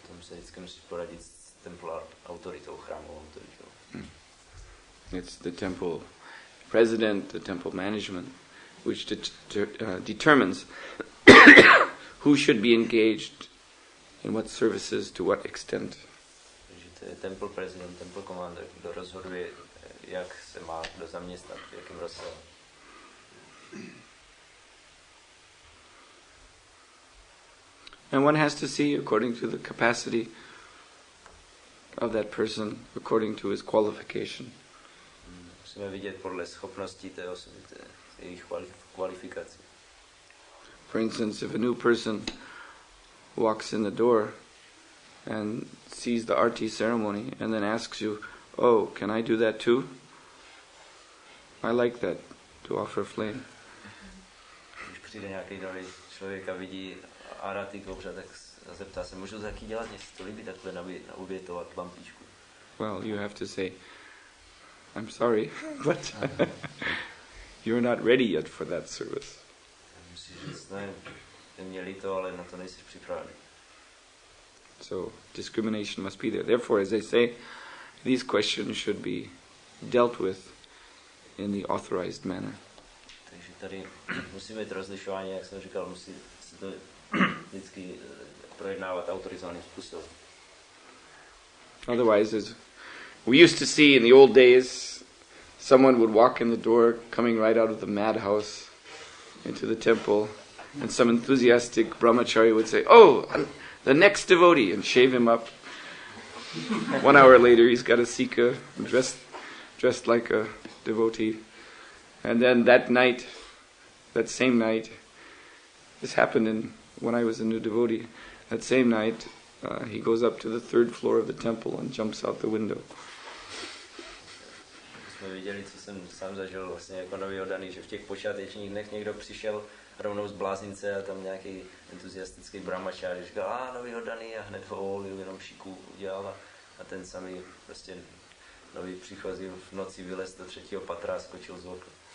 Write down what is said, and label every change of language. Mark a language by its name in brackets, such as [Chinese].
[English] It's the temple president, the temple management, which determines who should be engaged in what services, to what extent. Temple president, temple commander, [Czech] kdo rozhoduje, jak se má kdo zaměstnat, v jakém rozsahu. [English] And one has to see according to the capacity of that person, according to his qualification. [Czech] Musíme vidět podle schopností té osoby, jejich kvalifikace. [English] For instance, if a new person walks in the door and sees the RT ceremony and then asks you, oh, can I do that too? I like that, to offer flame. [Czech] Když přijde nějaký nový člověk a vidí RT kouře, tak zeptá se, můžu taky dělat, jestli to líbí, takhle obětovat lampičku. [English] Well, you have to say, I'm sorry, but you're not ready yet for that service. [Czech] Musíš říct, ne, je mě líto, ale na to nejsi připravený. [English] So discrimination must be there. Therefore, as I say, these questions should be dealt with in the authorized manner. [Czech] Takže tady musí být rozlišování, jak jsem říkal, musí se to vždycky projednávat autorizovaným způsobem. [English] Otherwise, as we used to see in the old days, someone would walk in the door, coming right out of the madhouse into the temple, and some enthusiastic brahmachari would say, oh, the next devotee, and shave him up. 1 hour later, he's got a sikha, dressed like a devotee. And then that night, that same night, this happened when I was a new devotee, that same night, he goes up to the third floor of the temple and jumps out the window. [Czech] Jsme viděli, co jsem sám zažil vlastně jako nový oddaný, že v těch počátečních dnech někdo přišel rovnou z bláznice a tam nějaký entuziastický brahmačáři říkal, nový oddaný, a hned ho volil, jenom šiku udělal, a ten samý prostě nový příchozí v noci vylez do třetího patra a skočil z okna.